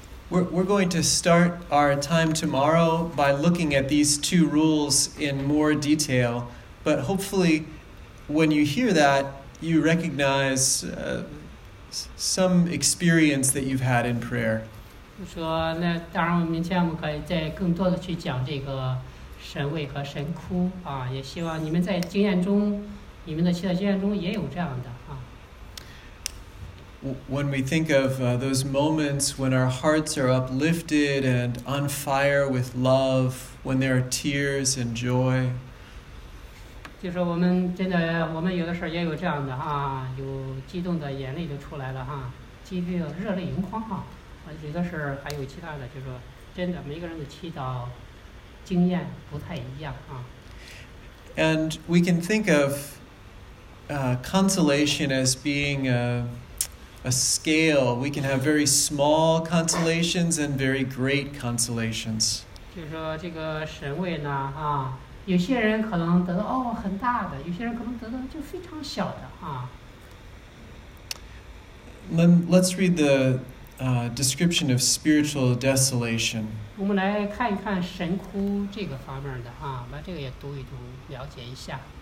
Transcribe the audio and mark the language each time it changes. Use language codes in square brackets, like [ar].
[en] We're going to start our time tomorrow by looking at these two rules in more detail, but hopefully when you hear that, you recognize some experience that you've had in prayer. [zh] 说那当然明天我们可以再更多的去讲这个神位和神窟啊，也希望你们在经验中，你们的祈祷经验中也有这样的。 [en] When we think of those moments when our hearts are uplifted and on fire with love, when there are tears and joy. [zh] 就是我们真的，我们有的时候也有这样的啊，有激动的眼泪就出来了哈，激动的热泪盈眶啊。有的时候还有其他的，就是说真的，每个人的祈祷经验不太一样啊。 [en] And we can think of consolation as being a scale. We can have very small consolations and very great consolations. [zh] 就是说这个神位呢，啊，有些人可能得到哦很大的，有些人可能得到就非常小的啊。 [en] Let's read the description of spiritual desolation. [zh] 我们来看一看神窟这个方面的啊，把这个也读一读，了解一下。